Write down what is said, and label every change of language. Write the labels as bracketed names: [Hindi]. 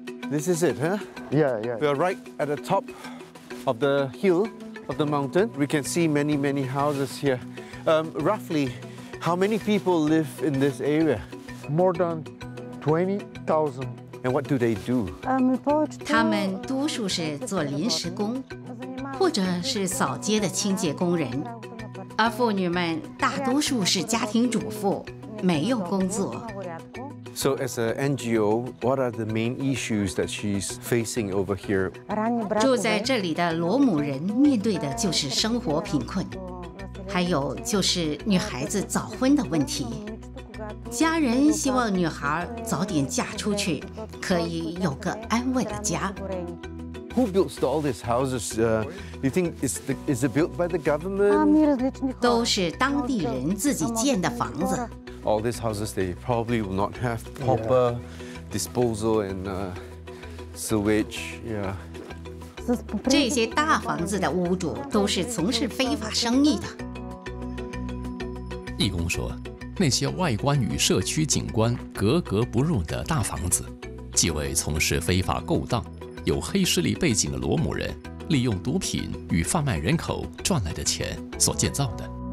[English] This is it, huh? Yeah, yeah. We are right at the top of the hill of the mountain. We can see many, many houses here. Roughly, how many people live in this area? More than 20,000. And what do they do? [Chinese] 他们多数是做临时工，或者是扫街的清洁工人。而妇女们大多数是家庭主妇，没有工作。 [English] So as an NGO, what are the main issues that she's facing over here? [Chinese] 住在这里的罗姆人面对的就是生活贫困。还有就是女孩子早婚的问题，家人希望女孩早点嫁出去，可以有个安稳的家。 [English] Who builds all these houses? You think is it built by the government? [Chinese] 都是当地人自己建的房子。 [English] All these houses they probably will not have proper disposal and sewage. Yeah. [Chinese] 这些大房子的屋主都是从事非法生意的。义工说，那些外观与社区景观格格不入的大房子，既为从事非法勾当、有黑势力背景的罗姆人利用毒品与贩卖人口赚来的钱所建造的。